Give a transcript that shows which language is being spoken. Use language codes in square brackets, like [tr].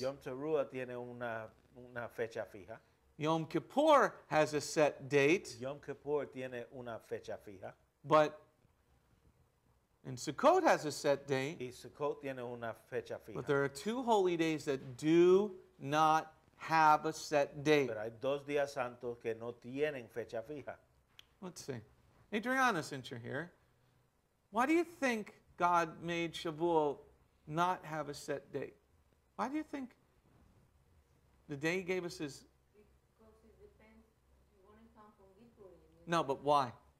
[es] Yom Teruah tiene una fecha fija. [en] Yom Kippur has a set date. [es] Yom Kippur tiene una fecha fija. [en] But in Sukkot has a set date. [es] Y Sukkot tiene una fecha fija. [en] But there are two holy days that do not have a set date. [es] Pero hay dos días santos que no tienen fecha fija. [en] Let's see. Adriana, since you're here, why do you think God made Shavuot not have a set date? Why do you think the day he gave us is... Because it depends. You want to come from Bikurim. No, but why?